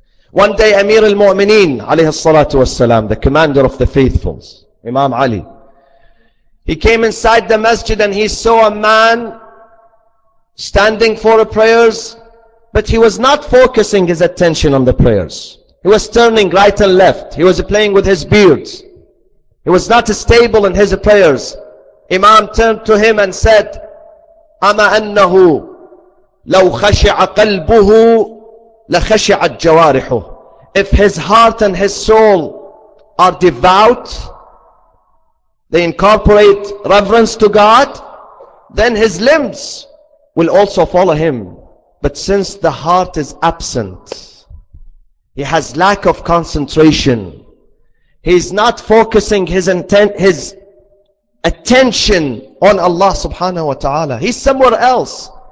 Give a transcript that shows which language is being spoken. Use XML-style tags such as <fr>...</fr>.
<en>One day Amir al-Mu'mineen, alayhi salatu wassalam, the commander of the faithfuls, Imam Ali, he came inside the masjid and he saw a man standing for the prayers, but he was not focusing his attention on the prayers. He was turning right and left. He was playing with his beard. He was not stable in his prayers. Imam turned to him and said,</en> <ar>أَمَا أَنَّهُ لَوْ خَشِعَ قَلْبُهُ لَخَشِعَ الْجَوَارِحُ.</ar> <en>If his heart and his soul are devout, they incorporate reverence to God, then his limbs will also follow him. But since the heart is absent, he has lack of concentration, he's not focusing his attention on Allah subhanahu wa ta'ala. He's somewhere else.</en>